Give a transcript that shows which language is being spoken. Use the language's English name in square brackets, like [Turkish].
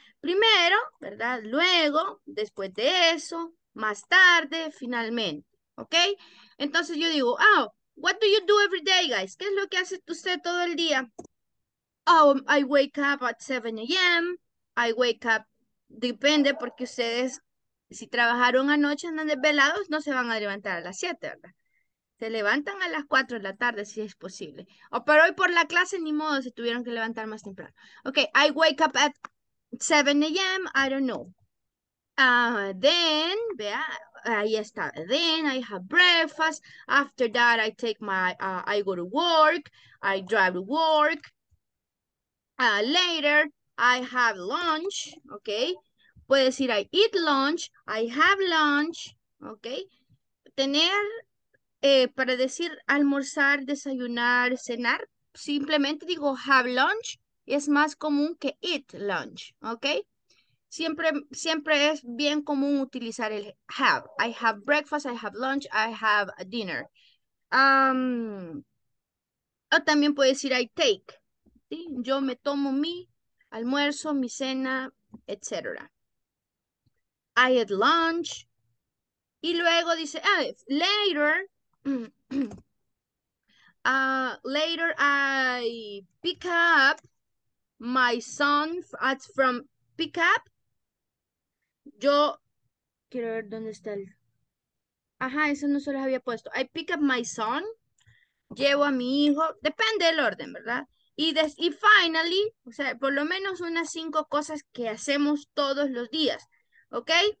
[Spanish] Primero, ¿verdad? Luego, después de eso, más tarde, finalmente, ¿ok? Entonces yo digo, [English] oh, what do you do every day, guys? [Spanish] ¿Qué es lo que hace usted todo el día? [English] Oh, I wake up at 7 a.m. I wake up, [Spanish] depende, porque ustedes, si trabajaron anoche, andan desvelados, no se van a levantar a las 7, ¿verdad? Se levantan a las 4 de la tarde, si es posible. O, pero hoy por la clase, ni modo, se tuvieron que levantar más temprano. [English] Ok, I wake up at 7 a.m., I don't know. Then, [Spanish] vea. Ahí está. [English] Then I have breakfast. After that, I go to work. I drive to work. Later, I have lunch. ¿Ok? [Spanish] Puede decir [English] I eat lunch. I have lunch. [Spanish] ¿Ok? Tener, para decir almorzar, desayunar, cenar, simplemente digo [English] have lunch. [Spanish] Es más común que [English] eat lunch. [Spanish] ¿Ok? Siempre es bien común utilizar el have. [English] I have breakfast, I have lunch, I have dinner. [Spanish] O también puede decir [English] I take. [Spanish] ¿Sí? Yo me tomo mi almuerzo, mi cena, etc. [English] I eat lunch. [Spanish] Y luego dice, [English] later, Later I pick up my son from pick up. [Spanish] Yo quiero ver dónde está el. Ajá, eso no se los había puesto. [English] I pick up my son. [Spanish] Llevo a mi hijo. Depende del orden, ¿verdad? Y finally, o sea, por lo menos unas 5 cosas que hacemos todos los días. ¿Ok?